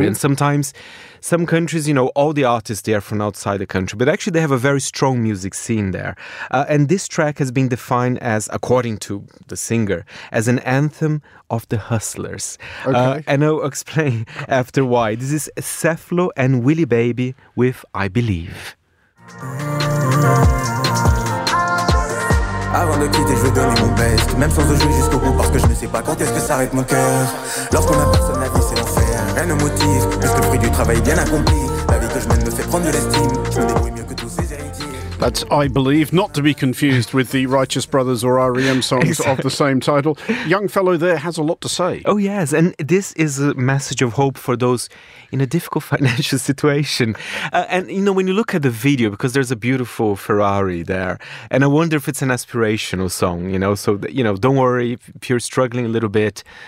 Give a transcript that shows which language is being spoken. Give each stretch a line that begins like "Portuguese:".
English: Mm-hmm. And sometimes some countries, you know, all the artists there from outside the country, but actually they have a very strong music scene there. And this track has been defined as, according to the singer, as an anthem of the hustlers. Okay. And I'll explain after why. This is Cephalo and Willy Baby with I Believe.
French: Avant de quitter, je vais donner mon best, même sans jouer jusqu'au bout, parce que je ne sais pas quand est-ce que ça arrête mon cœur. Lorsqu'on n'a personne, la vie c'est l'enfer. Rien ne motive, puisque le fruit du travail bien accompli. La vie que je mène me fait prendre de l'estime. Je me débrouille mieux que tous ces héritiers.
English: That's I Believe, not to be confused with the Righteous Brothers or R.E.M. songs exactly. Of the same title. Young fellow there has a lot to say. Oh, yes. And this is a message of hope for those in a difficult financial situation. And, you know, when you look at the video, because there's a beautiful Ferrari there, and I wonder if it's an aspirational song, you know, so, you know, don't worry if you're struggling a little bit.